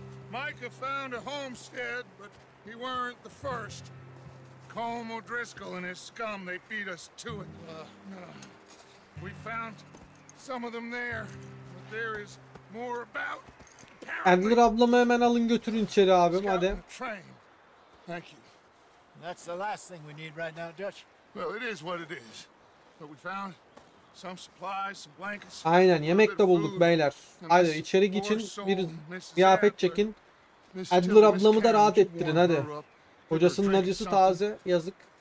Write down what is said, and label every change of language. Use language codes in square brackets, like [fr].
[en] Micah found a homestead, but he weren't the first. Home O'Driscoll and his scum, they beat us to it. We found some of them there, but there is more about. [tr] Adler ablamı hemen alın götürün içeri abi madem. [en] Thank you. That's the last thing we need right now, Dutch. Well, it is what it is. But we found some supplies, some blankets. [tr] Aynen, yemek de bulduk beyler. Hadi içeri geçin, bir kıyafet çekin. Adler ablamı da rahat ettirin hadi. Kocasının acısı taze, yazık.